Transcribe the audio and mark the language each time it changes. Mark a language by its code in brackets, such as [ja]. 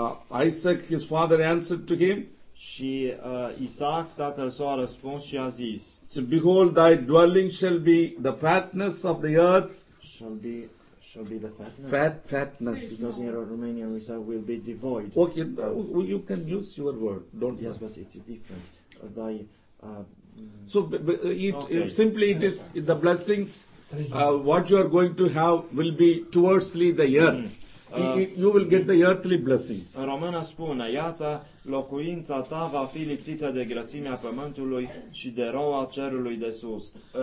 [en] Isaac, his father, answered to him. [ro] Și Isaac, tatăl său, a răspuns și a zis, [en] so behold, thy dwelling shall be the fatness of the earth. Shall be the fatness. Fatness. Because in Romanian we say will be devoid. Okay, you can use your word. Don't yes, you? But it's different. Simply it is the blessings what you are going to have will be towardsly the earth. You will get the earthly blessings. [ro] În română spune, iată, locuința ta va fi lipsită de grăsimea pământului și de roua cerului de sus.